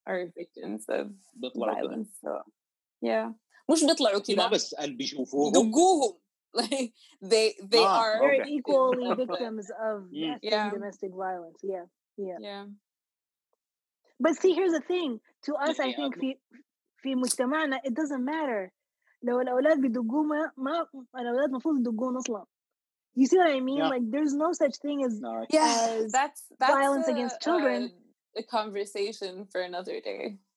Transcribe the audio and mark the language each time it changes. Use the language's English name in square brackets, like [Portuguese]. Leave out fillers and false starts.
[English] are victims of violence. So, yeah, [Arabic] مش بيطلعوا كده. ما بس اللي بيشوفوهم. [English] دقوهم. Like they ah, are okay. Very equally victims of yeah. domestic violence. Yeah. Yeah. Yeah. But see, here's the thing. To us, yeah, I think [Arabic] في مجتمعنا, [English] it doesn't matter. [Arabic] لو الأولاد بيدقوا ما الأولاد مفروض يدقون أصلاً. [English] You see what I mean? Yeah. Like, there's no such thing as, no, yeah, as that's violence against children. A conversation for another day.